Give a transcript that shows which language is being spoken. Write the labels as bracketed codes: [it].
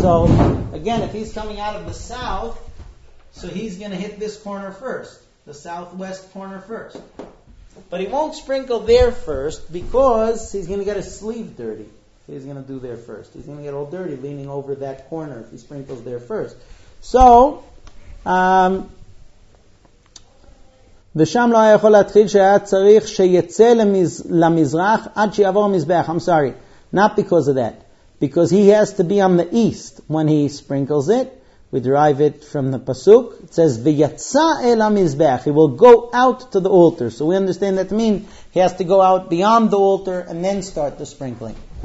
[en] So, again, if he's coming out of the south, so he's going to hit this corner first, the southwest corner first. But he won't sprinkle there first because he's going to get his sleeve dirty. He's going to do there first. He's going to get all dirty leaning over that corner if he sprinkles there first. So, [he] ושם לא יכול להתחיל שהיה צריך שיצא למזרח עד שיעבור המזבח. [en] I'm sorry. Not because of that. Because he has to be on the east when he sprinkles it. We derive it from the Pasuk. It says, [he] ויצא אל המזבח. [en] He will go out to the altar. So we understand that to mean he has to go out beyond the altar and then start the sprinkling.